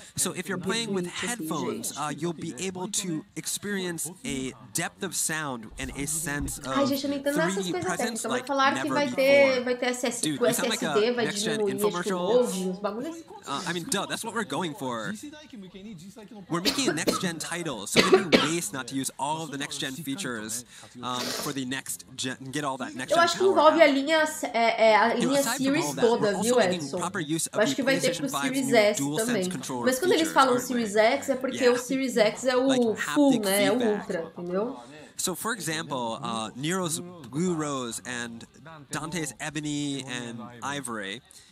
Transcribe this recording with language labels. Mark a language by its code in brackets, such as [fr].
[en] So if you're playing with headphones, you'll be able to experience a depth of sound and a sense of 3D presence like never before. Dude, you sound like a next-gen infomercial. I mean, duh, that's what we're going for. We're making a next-gen title, so it'd be waste not to use all of the next-gen features for the next-gen, get all that next-gen power. [pt] Eu acho que envolve a linha Series toda, viu, Edson? Eu acho que vai ter pro Series S também. Mas quando eles falam Series X, é porque o Series X é o full, né? É o ultra, entendeu? [en] So, for example, Nero's Blue Rose and Dante's Ebony and Ivory.